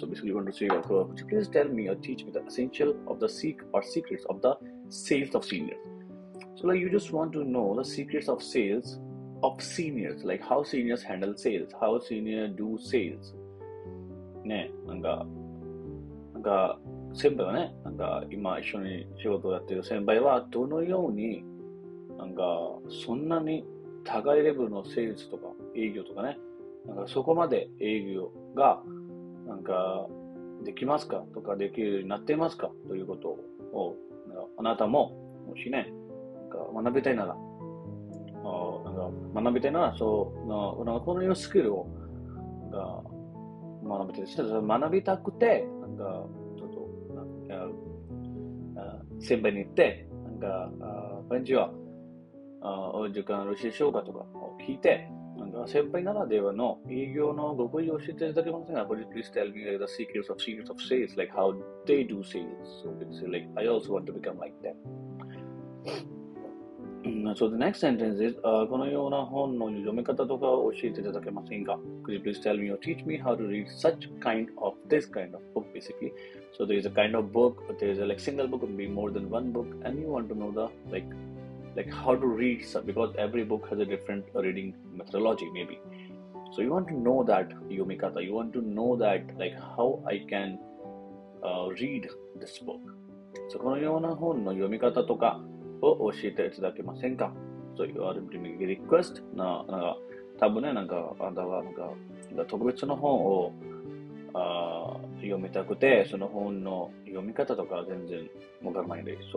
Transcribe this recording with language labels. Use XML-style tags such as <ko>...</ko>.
<en>So basically you want to say, could you please tell me or teach me the essential of the secrets of the sales of seniors. So like you just want to know the secrets of sales of seniors. Like how seniors handle sales. How seniors do sales.</en> <ja>ね、なんか先輩はね、なんか今一緒に仕事をやっている先輩はどのようになんかそんなに高いレベルのセールスとか営業とかね、なんかそこまで営業がなんかできますかとかできるようになっていますかということをあなたももしねなんか学びたいなら、なんか学びたいならそうなんかこのようなスキルをなんか学びたいですね。学びたくてなんかちょっと先輩に行ってなんか感じはお時間よろしいでしょうかとかを聞いて、なんか先輩ならではの営業の極意を教えていただけませんか。</ja> <en>Could you please tell me the secrets of sales, like how they do sales? So it's like, I also want to become like them. So the next sentence is,</en> <ja>このような本の読み方とかを教えていただけませんか。</ja> <en>Could you please tell me or teach me how to read such kind of, this kind of book basically. So there is a kind of book, but there is a like, single book, could be more than one book, and you want to know the like how to read, because every book has a different reading methodology maybe. So you want to know that yomikata, you want to know that like how I can read this book.</en> <ja>So このような本の読み方とかを教えていただけませんか。</ja> <en>So you are bringing a request.</en> <ja>なんか多分ね、なんかあなたはなんか特別の本を読みたくて、その本の読み方とか全然わからないです。</ja>